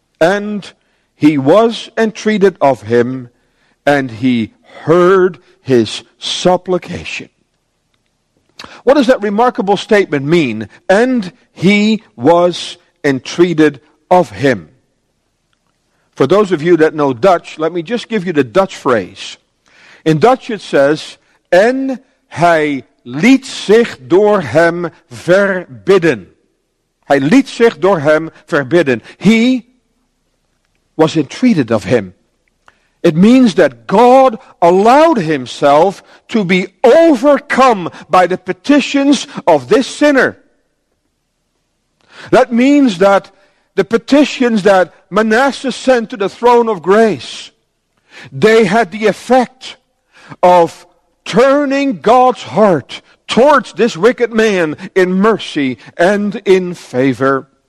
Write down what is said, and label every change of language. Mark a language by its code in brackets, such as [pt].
[en] And he was entreated of him, and he heard his supplication. What does that remarkable statement mean? And he was entreated of him. For those of you that know Dutch, let me just give you the Dutch phrase. In Dutch it says, [nl] en hij liet zich door hem verbidden. Hij liet zich door hem verbidden. [en] He was entreated of him. It means that God allowed himself to be overcome by the petitions of this sinner. That means that the petitions that Manasseh sent to the throne of grace, they had the effect of turning God's heart towards this wicked man in mercy and in favor.